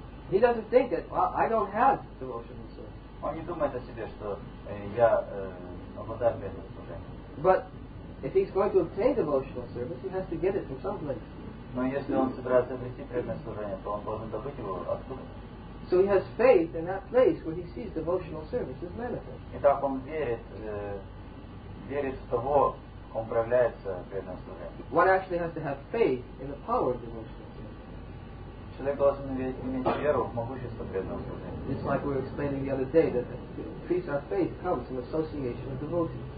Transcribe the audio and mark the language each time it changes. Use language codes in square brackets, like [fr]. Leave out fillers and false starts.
[en] He doesn't think that I don't have devotional service. [ru] Он не думает о себе, что я обладаю преданным служением. [en] But if he's going to obtain devotional service, he has to get it from someplace. [ru] Но если он собирается обрести преданное служение, то он должен добыть его откуда? [en] So he has faith in that place where he sees devotional service as manifest. [ru] Итак, он верит верит в того, кому проявляется преданное служение. [en] One actually has to have faith in the power of devotion. [ru] Человек должен иметь веру в могущество преданного служения. [en] It's like we were explaining the other day that increase our faith comes from association with devotees.